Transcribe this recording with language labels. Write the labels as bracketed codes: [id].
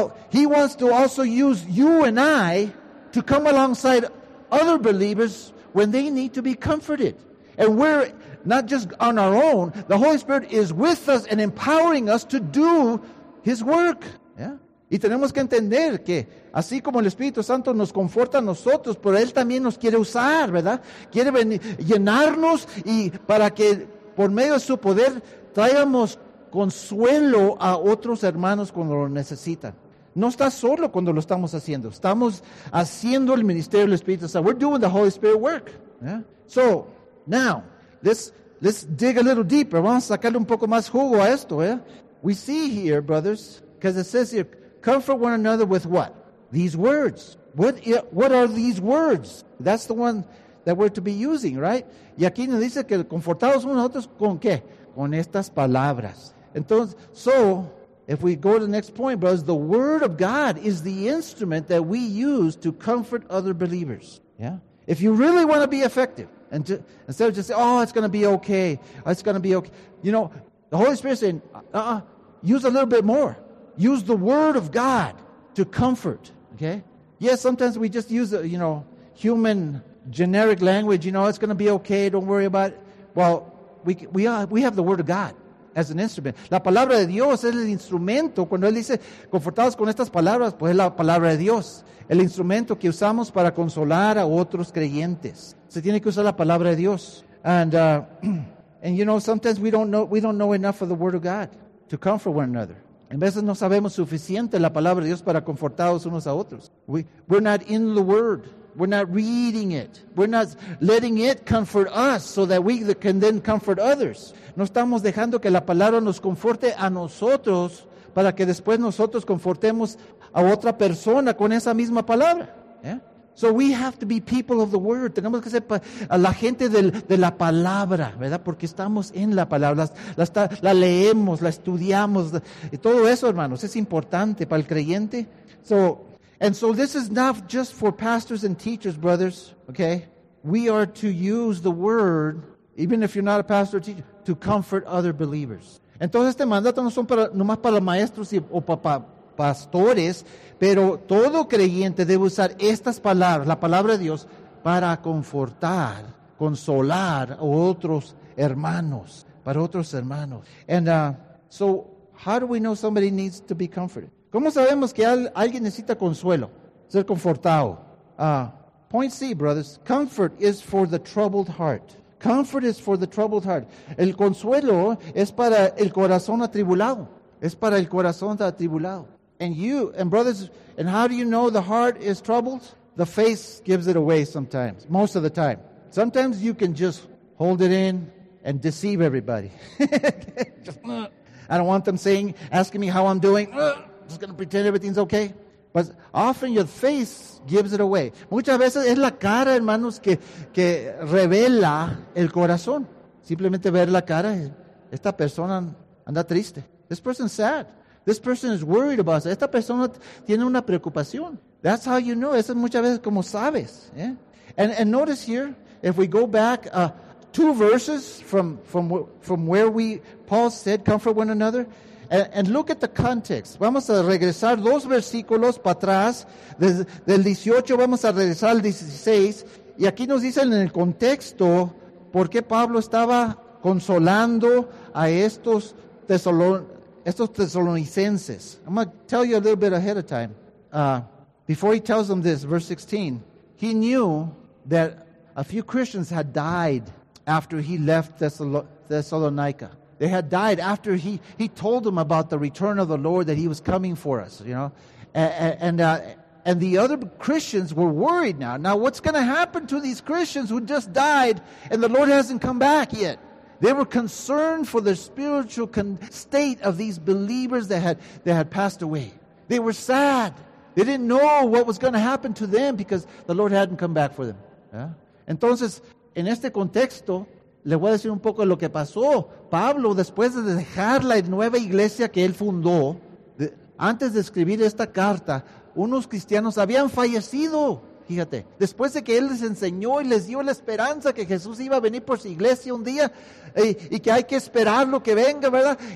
[en] He wants to also use you and I to come alongside other believers when they need to be comforted. And we're not just on our own. The Holy Spirit is with us and empowering us to do his work. Yeah? [es] Y tenemos que entender que así como el Espíritu Santo nos conforta a nosotros, pero Él también nos quiere usar, ¿verdad? Quiere llenarnos y para que por medio de su poder traigamos consuelo a otros hermanos cuando lo necesitan. No está solo cuando lo estamos haciendo. Estamos haciendo el ministerio del Espíritu Santo. [en] We're doing the Holy Spirit work. Yeah? So, now, let's dig a little deeper. [es] Vamos a sacarle un poco más jugo a esto. [en] Yeah? We see here, brothers, because it says here, comfort one another with what? These words. What are these words? That's the one that we're to be using, right? [es] Y aquí nos dice que confortados unos a otros, ¿con qué? Con estas palabras. [en] Entonces, so, if we go to the next point, brothers, the word of God is the instrument that we use to comfort other believers. Yeah? If you really want to be effective, instead of just saying, oh, it's going to be okay, it's going to be okay. You know, the Holy Spirit is saying, use a little bit more. Use the word of God to comfort. Okay? Yes, sometimes we just use, human generic language. You know, it's going to be okay. Don't worry about it. Well, we have the word of God as an instrument. [es] La palabra de Dios es el instrumento. Cuando Él dice, confortados con estas palabras, pues es la palabra de Dios. El instrumento que usamos para consolar a otros creyentes. Se tiene que usar la palabra de Dios. [en] And sometimes we don't know enough of the word of God to comfort one another. [es] En veces no sabemos suficiente la palabra de Dios para confortarnos unos a otros. [en] We're not in the Word. We're not reading it. We're not letting it comfort us so that we can then comfort others. [es] No estamos dejando que la palabra nos conforte a nosotros para que después nosotros confortemos a otra persona con esa misma palabra. [en] Yeah? So we have to be people of the Word. [es] Tenemos que ser a la gente de la palabra, ¿verdad? Porque estamos en la palabra. La leemos, la estudiamos. Y todo eso, hermanos, es importante para el creyente. [en] So this is not just for pastors and teachers, brothers, okay? We are to use the Word, even if you're not a pastor or teacher, to comfort other believers. [es] Entonces, este mandato no son para nomás para maestros o pastores, pero todo creyente debe usar estas palabras, la palabra de Dios, para confortar, consolar a otros hermanos, para otros hermanos. [en] And so, how do we know somebody needs to be comforted? [es] ¿Cómo sabemos que alguien necesita consuelo, ser confortado? [en] Point C, brothers, comfort is for the troubled heart. Comfort is for the troubled heart. [es] El consuelo es para el corazón atribulado. Es para el corazón atribulado. [en] And brothers, how do you know the heart is troubled? The face gives it away sometimes, most of the time. Sometimes you can just hold it in and deceive everybody. I don't want them asking me how I'm doing. Just going to pretend everything's okay. But often your face gives it away. [es] Muchas veces es la cara, hermanos, que revela el corazón. Simplemente ver la cara, esta persona anda triste. [en] This person's sad. This person is worried about us. [es] Esta persona tiene una preocupación. [en] That's how you know. [es] Eso es muchas veces como sabes. Yeah? [en] And notice here, if we go back two verses from where Paul said, comfort one another, and look at the context. [es] Vamos a regresar dos versículos para atrás. Desde el 18 vamos a regresar al 16. Y aquí nos dicen en el contexto por qué Pablo estaba consolando a estos tesalonicenses. [en] I'm going to tell you a little bit ahead of time. Before he tells them this, verse 16, he knew that a few Christians had died after he left Thessalonica. They had died after he told them about the return of the Lord, that he was coming for us, you know. And, and, uh, And the other Christians were worried now. Now, what's going to happen to these Christians who just died and the Lord hasn't come back yet? They were concerned for the spiritual state of these believers that had passed away. They were sad. They didn't know what was going to happen to them because the Lord hadn't come back for them. Yeah? [es] Entonces, en este contexto, le voy a decir un poco de lo que pasó. Pablo, después de dejar la nueva iglesia que él fundó, antes de escribir esta carta, unos cristianos habían fallecido. Fíjate, después de que él les enseñó y les dio la esperanza que Jesús iba a venir por su iglesia un día y que hay que esperar lo que venga, ¿verdad?